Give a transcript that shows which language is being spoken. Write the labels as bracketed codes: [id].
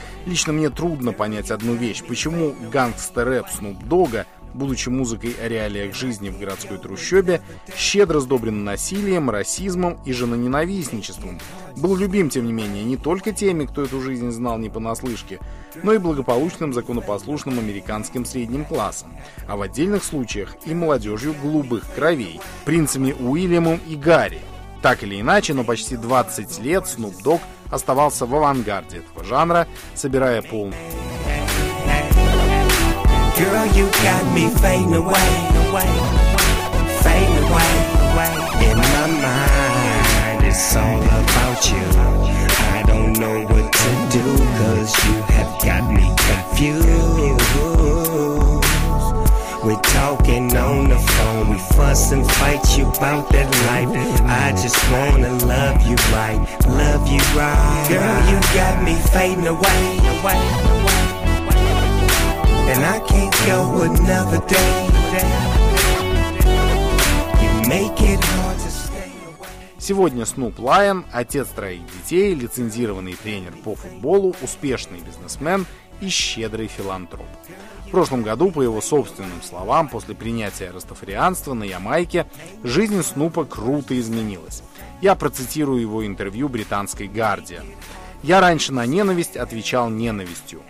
[ru] Лично мне трудно понять одну вещь, почему гангстер-рэп Снуп Дога, будучи музыкой о реалиях жизни в городской трущобе, щедро сдобрен насилием, расизмом и женоненавистничеством, был любим, тем не менее, не только теми, кто эту жизнь знал не понаслышке, но и благополучным законопослушным американским средним классом, а в отдельных случаях и молодежью голубых кровей, принцами Уильямом и Гарри. Так или иначе, но почти 20 лет Снуп Дог оставался в авангарде этого жанра, собирая полный... [en] Girl, you got me fading away, fading away, fading away, in my mind, it's all about you, I don't know what to do, cause you have got me confused, we're talking on the phone, we fuss and fight you about that life, I just wanna love you right, love you right, girl, you got me fading away, away. And I can't go another day. You make it hard to stay away. [ru] Сегодня Снуп Лайон, отец троих детей, лицензированный тренер по футболу, успешный бизнесмен и щедрый филантроп. В прошлом году, по его собственным словам, после принятия растафарианства на Ямайке, жизнь Снупа круто изменилась. Я процитирую его интервью британской «Гардиан». «Я раньше на ненависть отвечал ненавистью.